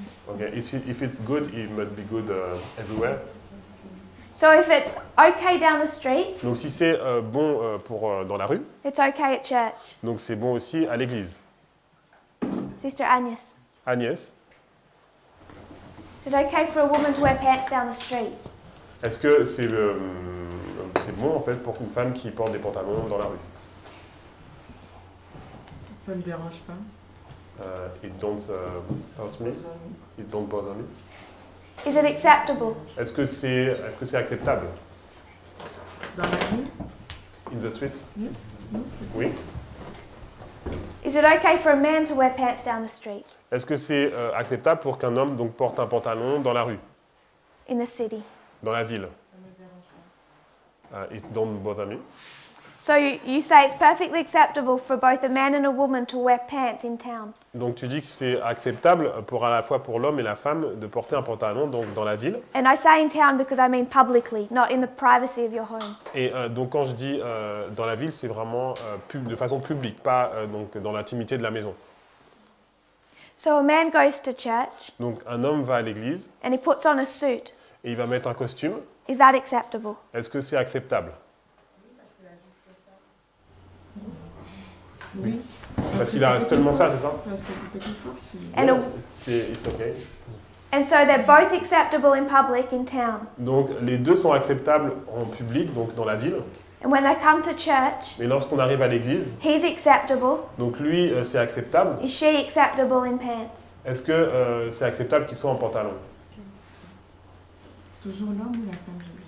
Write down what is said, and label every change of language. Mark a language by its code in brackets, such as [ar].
[en] Okay, if it's good, it must be good everywhere. So if it's okay down the street. [fr] Donc si c'est bon pour dans la rue. [en] It's okay at church. [fr] Donc c'est bon aussi à l'église. [en] Sister Agnes. Agnes. Is it okay for a woman to wear pants down the street? [fr] Est-ce que c'est bon en fait pour une femme qui porte des pantalons dans la rue? Ça me dérange pas. [en] It don't bother me. Is it acceptable? [fr] Est-ce que c'est acceptable? Dans la rue? [en] In the street? Yes. [fr] Oui. [en] Is it okay for a man to wear pants down the street? [fr] Est-ce que c'est acceptable pour qu'un homme donc porte un pantalon dans la rue? [en] In the city. [fr] Dans la ville. [en] It don't bother me. So you say it's perfectly acceptable for both a man and a woman to wear pants in town. [fr] Donc tu dis que c'est acceptable pour à la fois pour l'homme et la femme de porter un pantalon donc dans la ville. [en] And I say in town because I mean publicly, not in the privacy of your home. [fr] Et donc quand je dis dans la ville, c'est vraiment de façon publique, pas donc dans l'intimité de la maison. [en] So a man goes to church. [fr] Donc un homme va à l'église. [en] And he puts on a suit. [fr] Et il va mettre un costume. [en] Is that acceptable? [fr] Est-ce que c'est acceptable? Oui. Parce qu'il a seulement ça, c'est ça? Parce que c'est ce qu'il faut. C'est OK. [en] And so they're both acceptable in public in town. [fr] Donc les deux sont acceptables en public, donc dans la ville. [en] And when they come to church. [fr] Mais lorsqu'on arrive à l'église. [en] He's acceptable. [fr] Donc lui, c'est acceptable. [en] Is she acceptable in pants? [fr] Est-ce que c'est acceptable qu'il soit en pantalon? Toujours l'homme ou la femme?